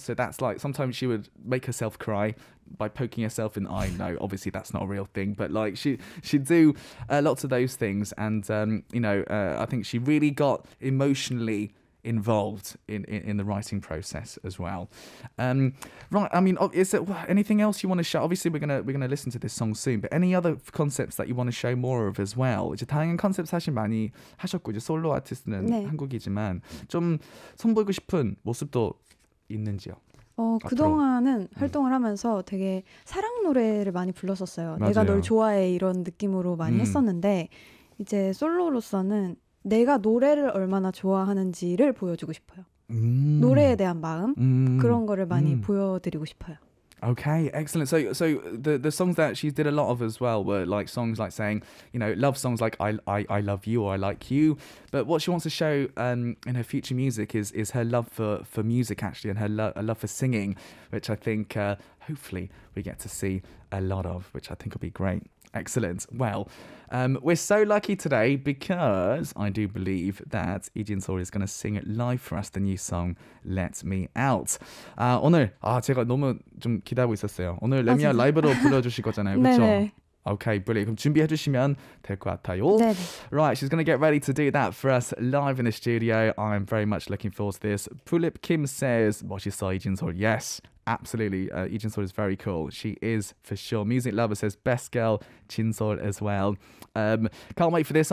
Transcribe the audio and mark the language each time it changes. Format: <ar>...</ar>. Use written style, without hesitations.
<en>So that's like sometimes she would make herself cry. By poking yourself in the eye, no, obviously that's not a real thing, but like she'd do lots of those things, and I think she really got emotionally involved in the writing process as well. Is there anything else you want to show? Obviously we're gonna listen to this song soon, but any other concepts that you want to show more of as well?</en> <ko>이제 다양한 컨셉 사실 많이 하셨고 이제 솔로 아티스트는 네. 한국이지만 좀 선보이고 싶은 모습도 있는지요? 그동안은 활동을 하면서 되게 사랑 노래를 많이 불렀었어요. 맞아요. 내가 널 좋아해 이런 느낌으로 많이 했었는데 이제 솔로로서는 내가 노래를 얼마나 좋아하는지를 보여주고 싶어요. 노래에 대한 마음 그런 거를 많이 보여드리고 싶어요.</ko> <en>Okay, excellent. So the songs that she did a lot of as well were like songs like saying, you know, love songs like I love you or I like you. But what she wants to show in her future music is her love for music actually and her love for singing, which I think hopefully we get to see a lot of, which I think will be great. Excellent. Well, we're so lucky today because I do believe that 이진솔이 is going to sing live for us the new song Let Me Out.</en> <ko>오늘 제가 너무 좀 기다리고 있었어요. 오늘 Let Me Out 라이브로 불러주실 거잖아요. 그렇죠? 네.</ko> <en>Okay, brilliant.</en> <ko>그럼 준비해 주시면 될 것 같아요. 네.</ko> <en>Right, she's going to get ready to do that for us live in the studio. I'm very much looking forward to this. Pulip Kim says,</en> <ko>멋있어 이진솔.</ko> <en>Yes. Absolutely. Ijinsol is very cool. She is for sure. Music lover says best girl, Jinsol as well. Can't wait for this.</en>